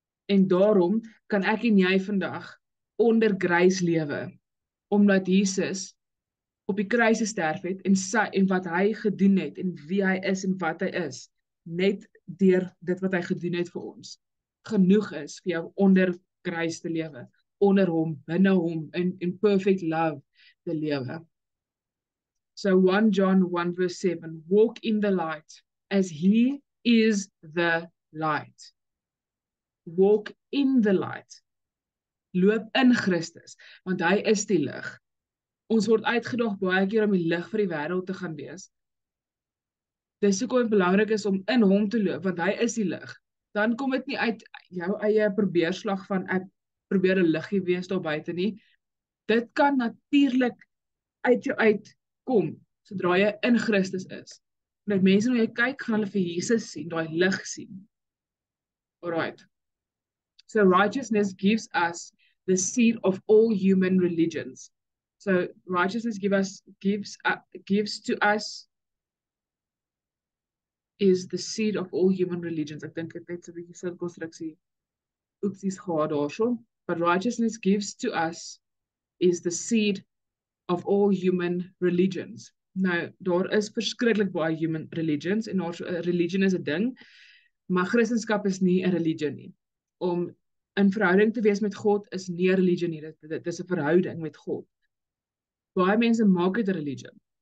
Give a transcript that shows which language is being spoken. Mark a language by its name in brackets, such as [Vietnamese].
[Afrikaans] En daarom kan ek en jy vandag onder grace lewe, omdat Jesus op die kruis gesterf het, en wat hy gedoen het, en wie hy is, en wat hy is, net deur dit wat hy gedoen het vir ons, genoeg is vir jou onder grace te lewe, onder hom, binne hom, in [English] perfect love [Afrikaans] te lewe. [English] So 1 John 1 verse 7, walk in the light, as he is the light. Walk in the light. [Afrikaans] Loop in Christus, want hy is die lig. Ons word uitgedaag baie keer om die lig vir die wêreld te gaan wees. Dis hoekom dit belangrik is om in hom te loop, want hy is die lig. Dan kom dit nie uit jou eie probeerslag van ek probeer 'n liggie wees daar buite nie. Dit kan natuurlik uit jou uit kom, sodra jy in Christus is. En dat mense na jou kyk, gaan hulle vir Jesus sien, daai lig sien. Alright. [English] So righteousness gives us the seed of all human religions. So righteousness gives to us is the seed of all human religions. [Afrikaans] Ek dink dit is 'n bietjie sirkelstruksie. Oopsies gehad daarso. [English] But righteousness gives to us is the seed of all human religions. [Afrikaans] Nou, daar is verskriklik baie human religions en daar's 'n religion is 'n ding, maar Christendom is nie 'n religion nie. Om in verhouding te wees met God is nie 'n religion nie. Dit is 'n verhouding met God. Baie mense maak dit 'n religion.